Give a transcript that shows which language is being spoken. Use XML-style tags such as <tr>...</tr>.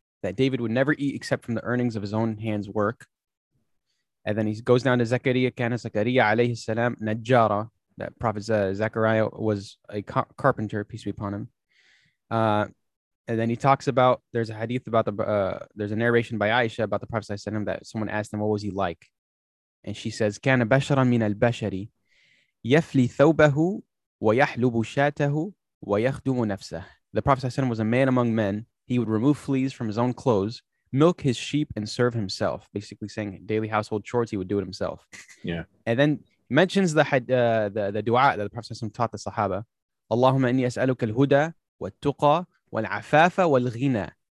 <en>That David would never eat except from the earnings of his own hand's work. And then he goes down to Zechariah,</en> <ar>كان زكريا عليه السلام نجارا,</ar> <en>that Prophet Zechariah was a carpenter, peace be upon him. And then he talks about, there's a hadith about there's a narration by Aisha about the Prophet ﷺ that someone asked him, what was he like? And she says,</en> <ar>كان بشرا من البشري يفلي ثوبه ويحلب شاته ويخدم نفسه.</ar> <en>The Prophet ﷺ was a man among men. He would remove fleas from his own clothes, milk his sheep and serve himself, basically saying daily household chores, he would do it himself. Yeah. And then mentions the dua that the Prophet ﷺ taught the Sahaba.</en> <ar>Allahumma inni as'aluka al-huda wa-tuqa wal-afafa wal-ghina.</ar>